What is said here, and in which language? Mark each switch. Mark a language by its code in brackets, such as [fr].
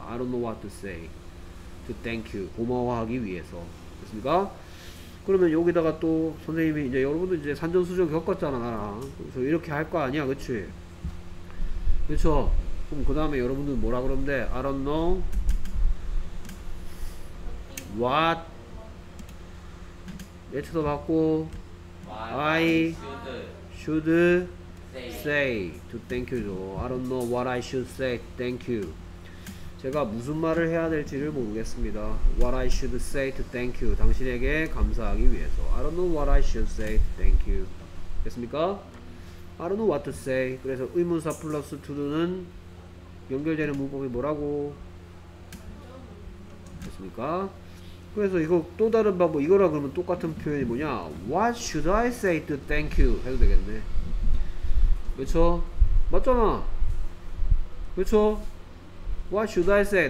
[en] I don't know what to say to thank you. [ko] 고마워하기 위해서. 됐습니까? 그러면 여기다가 또 선생님이 이제 여러분도 이제 산전수전 겪었잖아 나랑. 그래서 이렇게 할 거 아니야, 그치? 그쵸? 그럼 그 다음에 여러분들 뭐라 그러는데 [en] I don't know what [ko] 예측도 받고 [en] I should say to thank you. I don't know what I should say thank you. [ko] 제가 무슨 말을 해야 될지를 모르겠습니다. [en] What I should say to thank you. [ko] 당신에게 감사하기 위해서. [en] I don't know what I should say to thank you. [ko] 됐습니까? [en] I don't know what to say. [ko] 그래서 의문사 플러스 to do는 연결되는 문법이 뭐라고? 됐습니까? 그래서 이거 또 다른 방법 이거라 그러면 똑같은 표현이 뭐냐? [en] What should I say to thank you? [ko] 해도 되겠네. 그쵸? 맞잖아. 그쵸? [en] What should I say?